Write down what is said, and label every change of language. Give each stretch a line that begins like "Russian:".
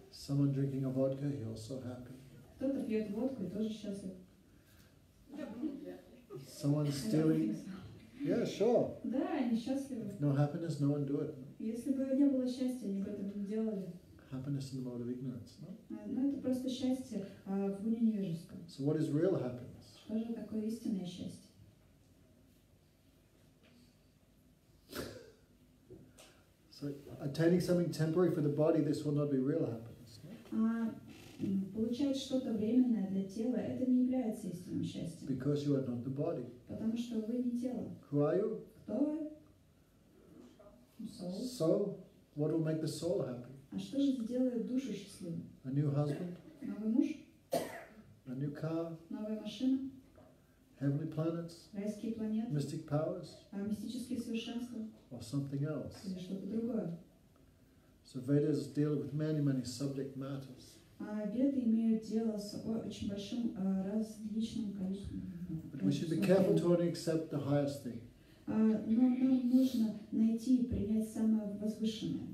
English: Someone drinking a vodka, he also happy.
Russian: Кто-то пьет водку и тоже счастлив.
English: Someone stealing. Yeah, sure.
Russian: Да, они счастливы.
English: No happiness, no one do it.
Russian: Если бы не было счастья, они бы этого не делали.
English: Happiness in the mode of ignorance, no?
Russian: Ну это просто счастье в уме невежеском.
English: So what is real happiness?
Russian: Что же такое истинное счастье?
English: So attaining something temporary for the body, this will not be real happiness.
Russian: Получать что-то временное для тела, это не является истинным счастьем.
English: Because you are not the body.
Russian: Потому что вы не тело.
English: Who are you?
Russian: Кто вы? Soul.
English: So, what will make the soul happy?
Russian: А что же сделает душу счастливой?
English: A new husband.
Russian: Новый муж.
English: A new car.
Russian: Новая машина.
English: Heavenly planets.
Russian: Райские планеты.
English: Mystic powers.
Russian: Мистические совершенства.
English: Or something else.
Russian: Или что-то другое.
English: So Vedas deal with many, many subject matters.
Russian: Веды имеют дело с очень большим различным количеством.
English: But we should be careful to only accept the highest thing.
Russian: Но нам нужно найти и принять самое возвышенное.